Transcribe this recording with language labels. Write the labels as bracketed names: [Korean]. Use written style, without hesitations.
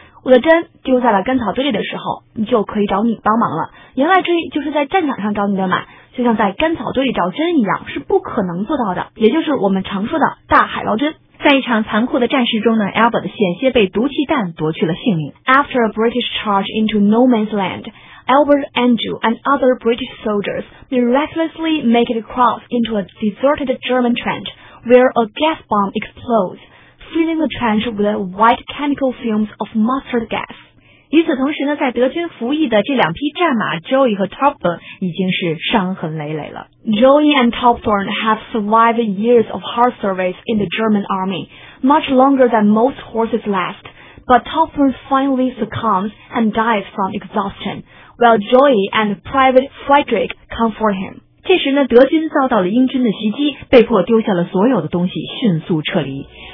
[Chinese] 我的针丢在了干草堆里的时候，你就可以找你帮忙了。言外之意就是在战场上找你的马，就像在干草堆里找针一样，是不可能做到的，也就是我们常说的大海捞针。” 在一场残酷的战事中呢 ，Albert 险些被毒气弹夺去了性命。 [English] After a British charge into No Man's Land, Albert, Andrew, and other British soldiers miraculously make it across into a deserted German trench, where a gas bomb explodes, filling the trench with white chemical fumes of mustard gas. [Chinese] 与此同时呢，在德军服役的这两匹战马 Joey 和 Topper 已经是伤痕累累了。 [English] Joey and Topthorne have survived years of hard service in the German army, much longer than most horses last, but Topthorne finally succumbs and dies from exhaustion, while Joey and Private Friedrich come for him. [Chinese] 这时呢，德军遭到了英军的袭击，被迫丢下了所有的东西，迅速撤离。